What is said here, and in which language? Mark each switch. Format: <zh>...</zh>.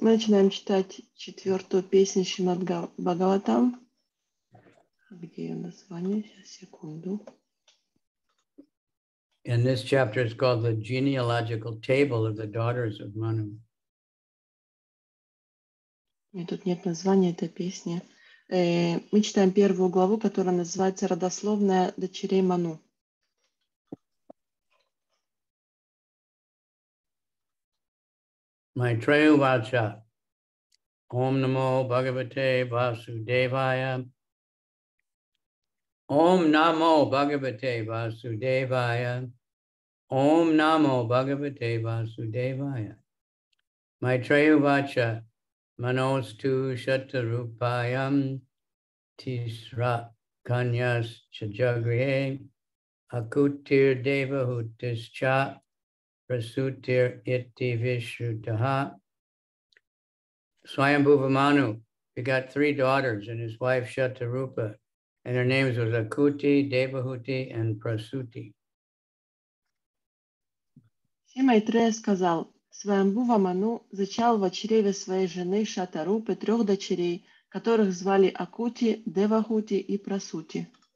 <ru>Мы начинаем читать четвертую песню Шримад Бхагаватам. Где ее название? Сейчас, секунду.</ru> <en>And this chapter is called the Genealogical Table of the Daughters of Manu.</en> <ru>И тут нет названия этой песни. Мы читаем первую главу, которая называется «Родословная дочерей Ману».</ru> <sa>Майтрея Вача. Ом намо Бхагавате Васудевая. Ом намо Бхагавате Васудевая. Om namo bhagavate vasudevaya. Maitreya vacha manostu shatarupayam tisra kanyas chajagrihe akutir devahutischa prasutir iti vishuddha.</sa> <en>Swayambhuva Manu begot three daughters and his wife Shatarupa, and their names were Akuti, Devahuti, and Prasuti.</en> <ru>И Майтрея сказал, Свайамбхува Ману зачал в чреве своей жены Шатарупы трех дочерей, которых звали Акути, Девахути и Прасути.</ru>